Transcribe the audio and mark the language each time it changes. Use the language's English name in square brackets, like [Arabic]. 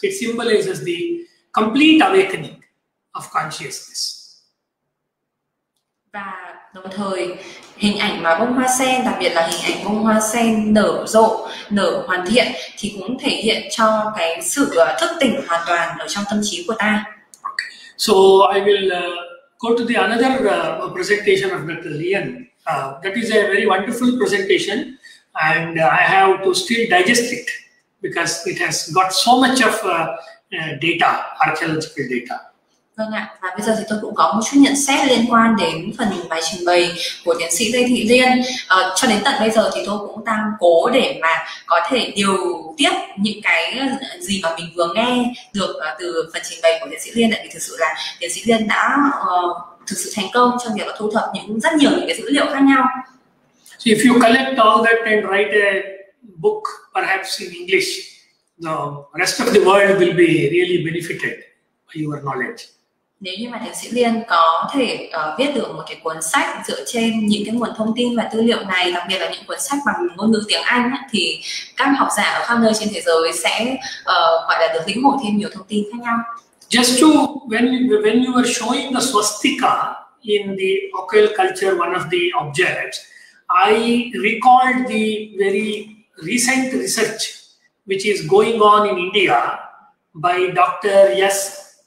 [English] It symbolizes the complete awakening of consciousness. [Vietnamese] Và đồng thời hình ảnh mà bông hoa sen, đặc biệt là hình ảnh bông hoa sen nở rộ, nở hoàn thiện thì cũng thể hiện cho cái sự thức tỉnh hoàn toàn ở trong tâm trí của ta. [English] Okay. So I will go to the another presentation of Dr. Lian. That is a very wonderful presentation and I have to still digest it because it has got so much of data, archaeological data. [Vietnamese] Vâng ạ, và bây giờ thì tôi cũng có một chút nhận xét liên quan đến phần bài trình bày của tiến sĩ Lê Thị Liên. Cho đến tận bây giờ thì tôi cũng đang cố để mà có thể điều tiếp những cái gì mà mình vừa nghe được từ phần trình bày của tiến sĩ Liên, tại vì thực sự là tiến sĩ Liên đã thực sự thành công trong việc thu thập những rất nhiều những cái dữ liệu khác nhau. [English] So if you collect all that and write a book perhaps in English, the rest of the world will be really benefited by your knowledge. [Vietnamese] Nếu như mà tiến sĩ Liên có thể viết được một cái cuốn sách dựa trên những cái nguồn thông tin và tư liệu này, đặc biệt là những cuốn sách bằng ngôn ngữ tiếng Anh ấy, thì các học giả ở khắp nơi trên thế giới sẽ gọi là được lĩnh hội thêm nhiều thông tin khác nhau. [English] Just to when you were showing the swastika in the occult culture, one of the objects, I recalled the very recent research which is going on in India by Dr. S.